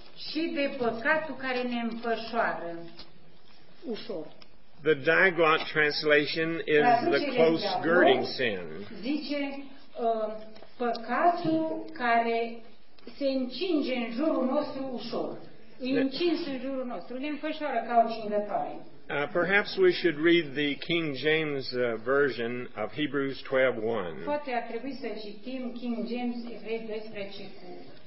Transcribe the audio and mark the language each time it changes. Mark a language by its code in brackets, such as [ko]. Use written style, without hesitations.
[ro] Și de păcatul care ne înfășoară ușor. [en] The Diaglot translation is the close girding sin. [ro] Zice păcatul care se încinge în jurul nostru ușor. Încins în jurul nostru, ne înfășoară ca o cingătoare. [en] Perhaps we should read the King James version of Hebrews 12:1. [ro] Poate ar trebui să citim King James Evrei 12:1.